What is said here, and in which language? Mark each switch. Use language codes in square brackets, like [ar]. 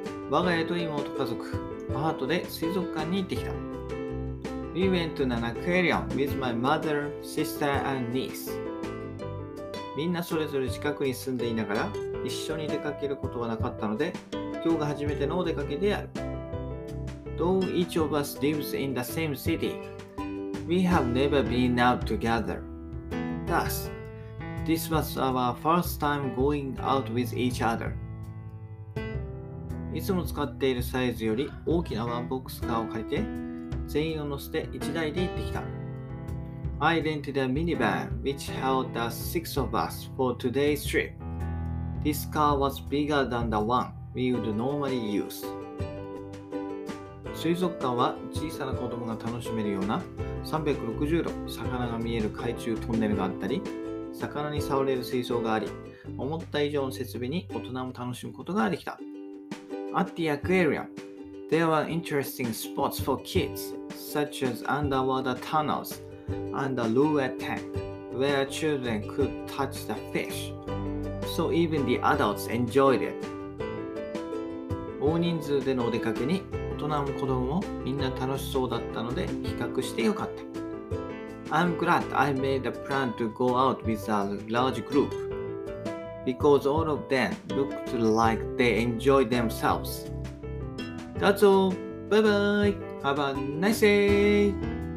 [ja] 我が家と妹家族、母とで水族館に行ってきた。 [en] We went to an aquarium with my mother, sister, and niece. [ja] みんなそれぞれ近くに住んでいながら一緒に出かけることはなかったので、今日が初めてのお出かけである。 [en] Though each of us lives in the same city, we have never been out together. Thus, this was our first time going out with each other. [ja] いつも使っているサイズより大きなワンボックスカーを借りて、全員を乗せて1台で行ってきた。 [en] I rented a minivan which held the six of us for today's trip. This car was bigger than the one we would normally use. [ja] 水族館は小さな子供が楽しめるような360度魚が見える海中トンネルがあったり、魚に触れる水槽があり、思った以上の設備に大人も楽しむことができた。 [en] At the aquarium, there were interesting spots for kids, such as underwater tunnels and a lure tank, where children could touch the fish. So even the adults enjoyed it. [ja] 大人数でのお出かけに、大人も子供もみんな楽しそうだったので比較してよかった。 [en] I'm glad I made a plan to go out with a large group because all of them looked like they enjoyed themselves. That's all. Bye bye. Have a nice day.